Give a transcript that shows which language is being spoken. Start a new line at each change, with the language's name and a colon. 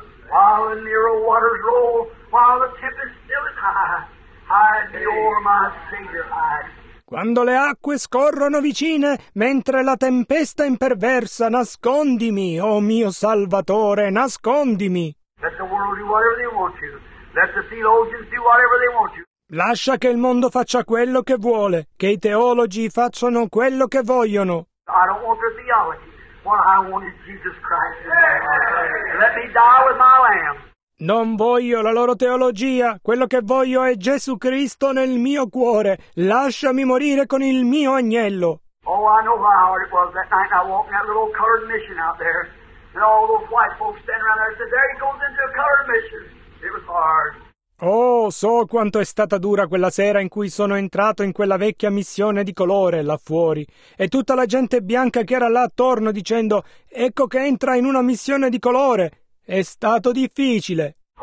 English: While the Nero waters roll, while the tempest still is high, hide me o'er my Savior, hide.
Italian: Quando le acque scorrono vicine, mentre la tempesta imperversa, nascondimi, o mio Salvatore, nascondimi.
English: Let the world do whatever they want to. Let the theologians do whatever they want to.
Italian: Lascia che il mondo faccia quello che vuole, che i teologi facciano quello che vogliono.
English: I don't want their theology. What I want is Jesus Christ. Let me die with my lamb.
Italian: Non voglio la loro teologia, quello che voglio è Gesù Cristo nel mio cuore. Lasciami morire con il mio agnello.
English: Oh, I know how hard it was that night. I walked in that little colored mission out there. And all those white folks standing around there said, there he goes into a colored mission. It was hard.
Italian: Oh, so quanto è stata dura quella sera in cui sono entrato in quella vecchia missione di colore là fuori, e tutta la gente bianca che era là attorno dicendo, ecco che entra in una missione di colore. È stato difficile.